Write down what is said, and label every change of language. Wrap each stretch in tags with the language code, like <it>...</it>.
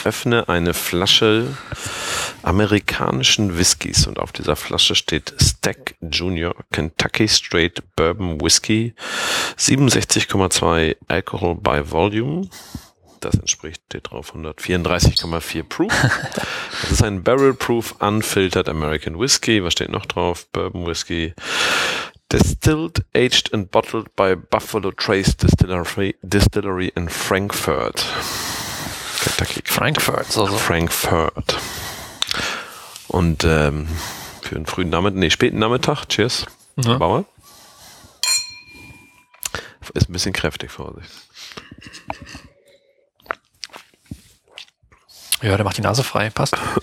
<de>Ich öffne eine Flasche amerikanischen Whiskys und auf dieser Flasche steht Stack Junior Kentucky Straight Bourbon Whiskey 67,2 Alcohol by Volume. Das entspricht dir drauf 134,4 Proof. Das ist ein Barrel Proof Unfiltered American Whiskey. Was steht noch drauf? Bourbon Whiskey.</de> <en>Distilled, aged and bottled by Buffalo Trace Distillery in Frankfurt.</en> <de>Kentucky. Frankfurt, so. Frankfurt. Und für den frühen Nachmittag, nee, späten Nachmittag, cheers, ja. Bauer. Ist ein bisschen kräftig, Vorsicht. Ja, der macht die Nase frei, passt.</de>